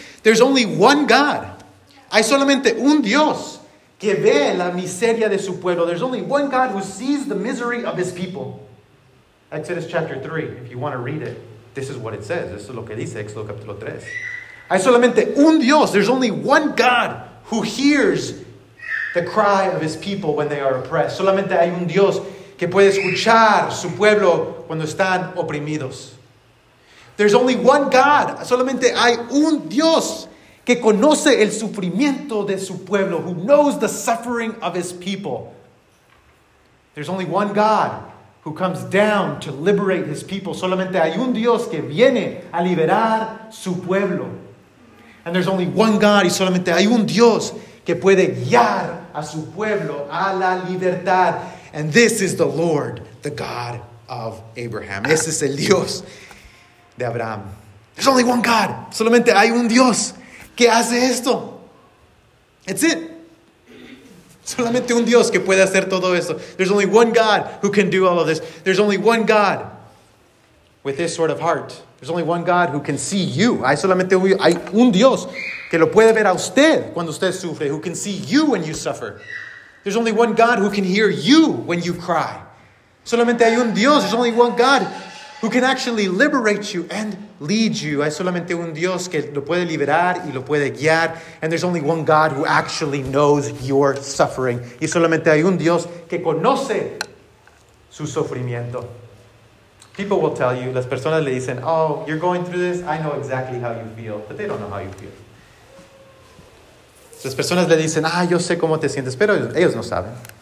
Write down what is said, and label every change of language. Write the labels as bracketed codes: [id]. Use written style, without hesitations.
[en] There's only one God. [es] Hay solamente un Dios que ve la miseria de su pueblo. [en] There's only one God who sees the misery of his people. Exodus chapter 3, if you want to read it, this is what it says. [es] Esto es lo que dice Éxodo capítulo 3. Hay solamente un Dios. [en] There's only one God who hears the cry of his people when they are oppressed. [es] Solamente hay un Dios que puede escuchar su pueblo cuando están oprimidos. [en] There's only one God. [es] Solamente hay un Dios que conoce el sufrimiento de su pueblo, [en] who knows the suffering of his people. There's only one God who comes down to liberate his people. [es] Solamente hay un Dios que viene a liberar su pueblo. [en] And there's only one God, [es] y solamente hay un Dios que puede guiar a su pueblo a la libertad. [en] And this is the Lord, the God of Abraham. [es] Ese es el Dios de Abraham. [en] There's only one God. [es] Solamente hay un Dios que hace esto. [en] That's it. [es] Solamente un Dios que puede hacer todo esto. [en] There's only one God who can do all of this. There's only one God with this sort of heart. There's only one God who can see you. [es] Hay solamente un Dios que lo puede ver a usted cuando usted sufre. [en] Who can see you when you suffer. There's only one God who can hear you when you cry. [es] Solamente hay un Dios. [en] There's only one God who can actually liberate you and lead you. [es] Hay solamente un Dios que lo puede liberar y lo puede guiar. [en] And there's only one God who actually knows your suffering. [es] Y solamente hay un Dios que conoce su sufrimiento. [en] People will tell you, [es] las personas le dicen, [en] oh, you're going through this, I know exactly how you feel. But they don't know how you feel. [es] Las personas le dicen, ah, yo sé cómo te sientes, pero ellos no saben.